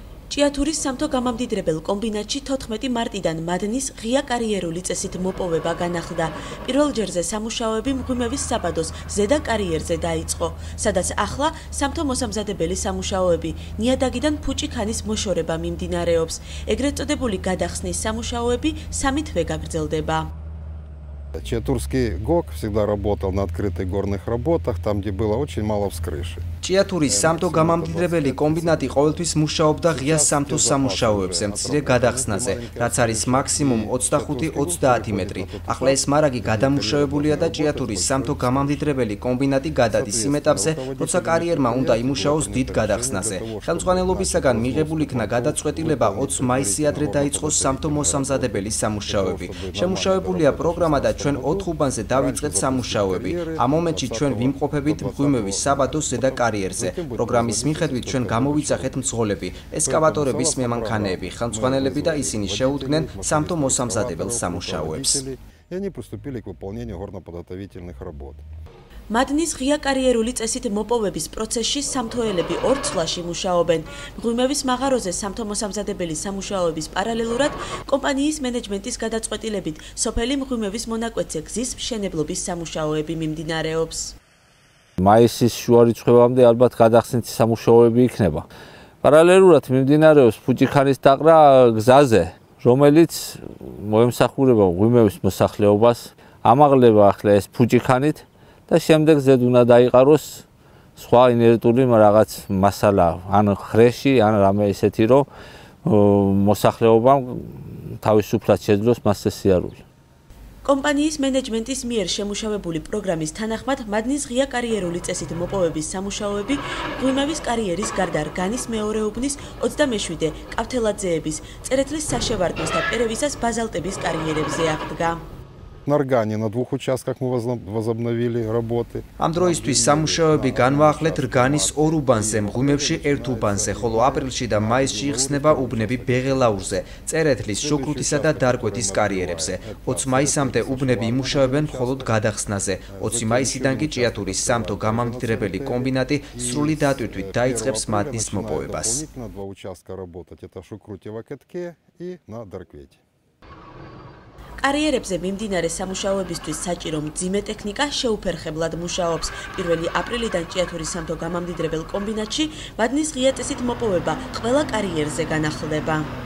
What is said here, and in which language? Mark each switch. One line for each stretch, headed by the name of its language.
Georgian: ჭიათურის სამთო გამამდიდრებელ კომბინატში 14 მარტიდან მადნის ღია კარიერული წესით მოპოვება განახლდა. პირველ ჯერზე სამუშაოები მღვიმევის საბადოს ზედა კარიერზე დაიწყო, სადაც ახლა სამთო მოსამზადებელი სამუშაოები ნიადაგიდან ფუჭი ქანის მოშორება მიმდინარეობს. ეგრეთ წოდებული გადახსნის სამუშაოები 3 თვე გაგრძელდება.
Russian: Чиатурский ГОК всегда работал на открытых горных работах, там, где было очень мало вскрыши.
Georgian: Чиатурис самто гамамдидребели комбинати ყოველთვის მუშაობდა ღია სამთო სამუშაოებზე მცირე გადახსნაზე, რაც არის მაქსიმუმ 25-30 მეტრი. ახლა ეს მარაგი გადამუშავებულია და ჭიათურის სამთო გამამდიდრებელი კომბინატი გადადის იმ ეტაპზე, როცა კარიერმა უნდა იმუშაოს დიდ გადახსნაზე. ხელმძღვანელობისაგან მიღებული იქნა გადაწყვეტილება 20 მაისი ადრე დაიწყო სამთო მოსამზადებელი სამუშაოები. შემუშავებულია პროგრამა და ჩვენ 4 უბანზე დავიწყეთ სამუშაოები. ამ მომენტში ჩვენ ვიმყოფებით მღვიმევის საბადოს ზედა კარიერზე. პროგრამის მიხედვით ჩვენ გამოვიძახეთ მძღოლები, ესკავატორების მემანქანეები, ხელმძღვანელები და ისინი შეუდგნენ სამთო მოსამზადებელ სამუშაოებს.
Russian: Они приступили к выполнению горноподготовительных работ.
Georgian: Მადნის ღია კარიერული წესით მოპოვების პროცესში სამთოელები 2 ცვლაში მუშაობენ. მღვიმევის მაღაროზე სამთო მოსამზადებელი სამუშაოების პარალელურად კომპანიის მენეჯმენტის გადაწყვეტილებით სოფელი მღვიმევის მონაკვეთზე გზის მშენებლობის სამუშაოები მიმდინარეობს. Მაისის შუა რიცხვებამდე ალბათ გადახსნით სამუშაოები იქნება. პარალელურად მიმდინარეობს ფუჭიქანის დაყრა გზაზე, რომელიც მოემსახურება მღვიმევის მოსახლეობას, ამაღლება ახლა ეს ფუჭიქანით და შემდეგ ზედ უნდა დაიყაროს სხვა ინერტული რაღაც მასალა, ან ხრეში, ან რამე ისეთი, რომ მოსახლეობამ თავისუფლად შეძლოს მას სიარული. კომპანიის მენეჯმენტის მიერ შემუშავებული პროგრამის თანახმად, მადნის ღია კარიერული წესით მოპოვების სამუშაოები მღვიმევის კარიერის გარდა რგანის მეორეუბნის 27 კავთელაძეების, წერეთლის საშევარდნის და პერევისას ბაზალტების კარიერებზე აღდგა.
Russian: На Ргане на двух участках мы возобновили работы.
Georgian: Ам дроისთვის სამუშაოები განვაახლეთ რგანის 2 უბანზე, მღვიმევში 1 უბანზე, ხოლო აპრილში და მაისში იხსნება უბნები ბეღელაურზე, წერეთლის, შუქრუთისა და დარგვეთის კარიერებზე. 20 მაისამდე უბნები იმუშავებენ მხოლოდ გადახსნაზე. 20 მაისიდან კი ჭიათურის სამთო გამამდიდრებელი კომბინატი სრული დატვირთვით დაიწყებს მადნის მოპოვებას.
Russian: На двух участках работать это Шукрутево Катке и на Дарквете.
Georgian: კარიერებზე მიმდინარე სამუშაოებისთვის საჭირო მძიმე ტექნიკა შეუფერხებლად მუშაობს. 1 აპრილიდან ჭიათურის სამთო გამამდიდრებელ კომბინატში მადნის ღია წესით მოპოვება ყველა კარიერზე განახლდება.